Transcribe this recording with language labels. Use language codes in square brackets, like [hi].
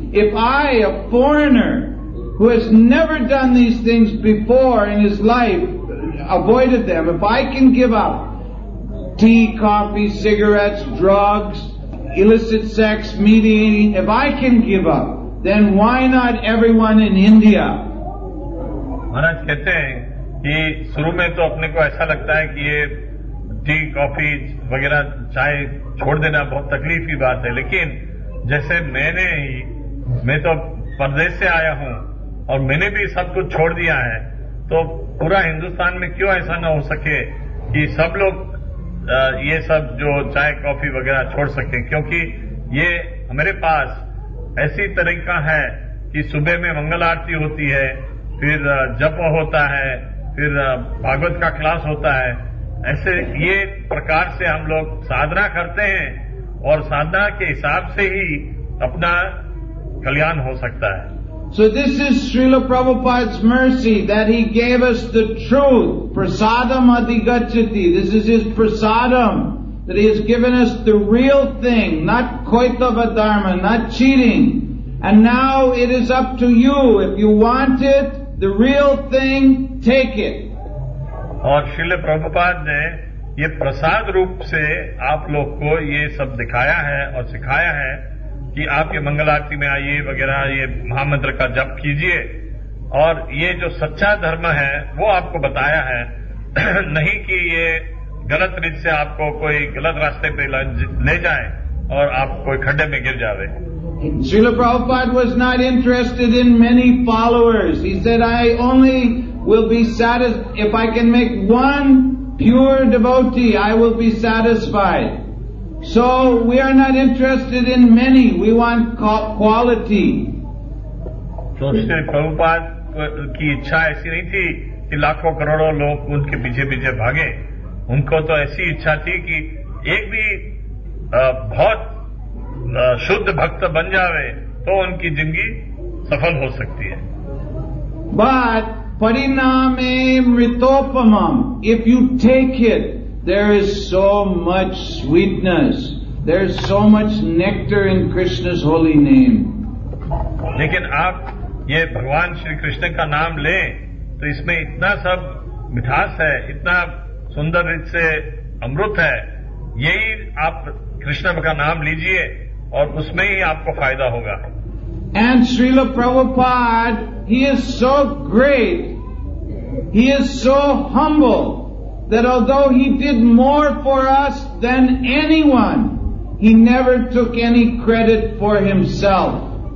[en] If I, a foreigner who has never done these things before in his life, avoided them, if I can give up tea, coffee, cigarettes, drugs, illicit sex, meat eating, if I can give up, then why not everyone in India? [hi] Maharaj kehte hain ki shuru mein to apne ko aisa lagta hai ki ye tea coffee वगैरह चाय छोड़ देना बहुत तकलीफ की बात है, लेकिन जैसे मैं तो परदेश से आया हूं और मैंने भी सब कुछ छोड़ दिया है, तो पूरा हिंदुस्तान में क्यों ऐसा ना हो सके कि सब लोग ये सब जो चाय कॉफी वगैरह छोड़ सकें, क्योंकि ये हमारे पास ऐसी तरीका है कि सुबह में मंगल आरती होती है, फिर जप होता है, फिर भागवत का क्लास होता है, ऐसे ये प्रकार से हम लोग साधना करते हैं और साधना के हिसाब से ही अपना कल्याण हो सकता है। [en] so this is Srila Prabhupada's mercy that he gave us the truth [sa] प्रसादम अधिगच्छति, [en] This is his प्रसादम that he has given us the real thing, not कोइतव धर्म, not cheating, And now it is up to you. If you want it, the real thing, take it. [hi] और श्रील प्रभुपाद ने ये प्रसाद रूप से आप लोग को ये सब दिखाया है और सिखाया है कि आप ये मंगल आरती में आइए वगैरह, ये महामंत्र का जप कीजिए और ये जो सच्चा धर्म है वो आपको बताया है, नहीं कि ये गलत रीति से आपको कोई गलत रास्ते पे ले जाए और आप कोई खड्डे में गिर जा रहे हैं. [en] Srila Prabhupada was not interested in many followers. He said, I only will be satisfied if I can make one pure devotee, I will be satisfied. So we are not interested in many, we want quality. [hi] So Srila Prabhupada ki ichha aisi nahi thi ki lakho karodo log unke piche piche bhage. Unko to aisi ichha thi ki ek bhi bahut शुद्ध भक्त बन जावे तो उनकी जिंदगी सफल हो सकती है. [en] But [sa] pariname mritopamam, [en] if you take it, there is so much sweetness, there is so much nectar in Krishna's holy name. [hi] लेकिन आप ये भगवान श्री कृष्ण का नाम लें तो इसमें इतना सब मिठास है, इतना सुंदर रीत से अमृत है. यही आप कृष्ण का नाम लीजिए और उसमें ही आपको फायदा होगा. [en] And Srila Prabhupada, he is so great, he is so humble, that although he did more for us than anyone, he never took any credit for himself.